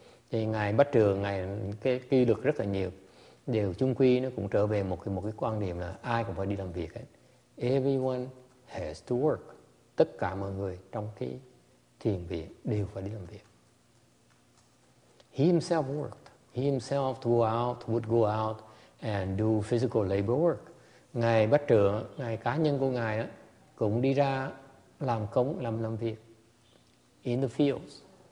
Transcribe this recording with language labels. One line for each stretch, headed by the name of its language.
Vietnamese: Thì Ngài Bách Trưởng, Ngài cái quy luật rất là nhiều. Điều chung quy nó cũng trở về một cái quan điểm là ai cũng phải đi làm việc ấy.
English: Everyone has to work.
Vietnamese: Tất cả mọi người trong cái thiền viện đều phải đi làm việc.
English: He himself worked. He himself would go out and do physical labor work.
Vietnamese: Ngài Bách Trưởng, ngài cá nhân của ngài đó, cũng đi ra làm công, làm việc
English: in the fields.